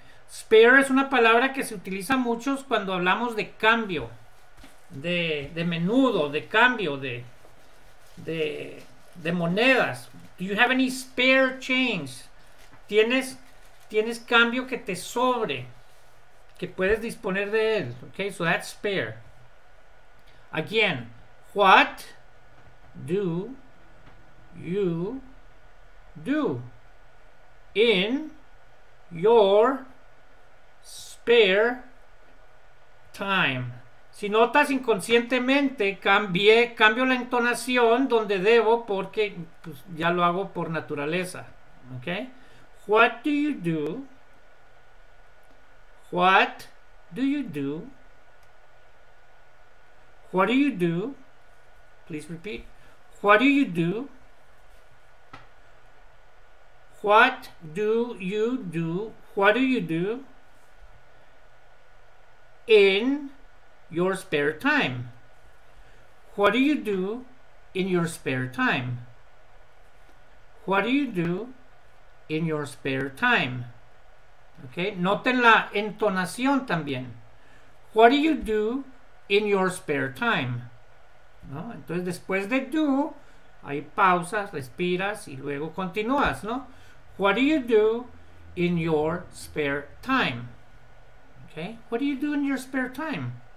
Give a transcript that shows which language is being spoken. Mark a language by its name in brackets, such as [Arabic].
[Spanish] Spare es una palabra que se utiliza mucho cuando hablamos de cambio. De menudo, de cambio, de monedas. [English] Do you have any spare change? [Spanish] ¿Tienes cambio que te sobre, que puedes disponer de él? [English] Okay, so that's spare. Again, what do you do in your spare time? [Spanish] Si notas, inconscientemente cambio la entonación donde debo, porque pues, ya lo hago por naturaleza. [English] Okay? What do you do in your spare time? What do you do in your spare time? What do you do in your spare time? Okay, [Spanish] noten la entonación también. [English] What do you do in your spare time? [Spanish] ¿No? Entonces, después de do, hay pausas, respiras y luego continúas, ¿no? [English] What do you do in your spare time? Okay, what do you do in your spare time?